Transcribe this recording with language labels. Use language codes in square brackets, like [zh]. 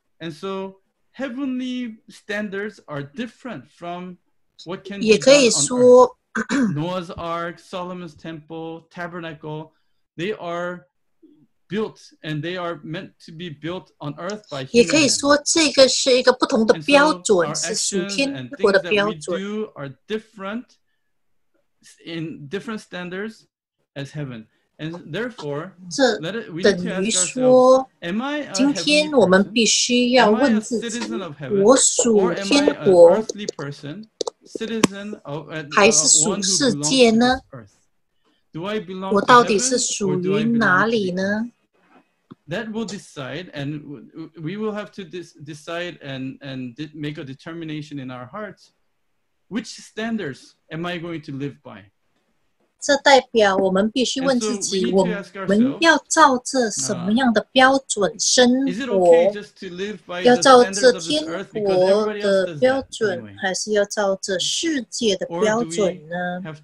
[en] And so heavenly standards are different from. [zh] 也可以说 [en] ，Noah's Ark, Solomon's Temple, Tabernacle—they are built and they are meant to be built on earth by humans. [zh] 也可以说，这个是一个不同的标准，是属天国的标准。 [en] And so our actions and things that we do are different in different standards as heaven. And therefore, [zh] 这等于说，今天我们必须要问自己：我属天国。 [en] Citizen of, [zh] 还是属世界呢？ [en] Do I belong to heaven, 我 [zh] 到底是属于哪里呢？ [en] That will decide, and we will have to decide and make a determination in our hearts. Which standards am I going to live by? [zh] 这代表我们必须问自己，我们要照着什么样的标准生活？要照着天国的标准，还是要照着世界的标准呢？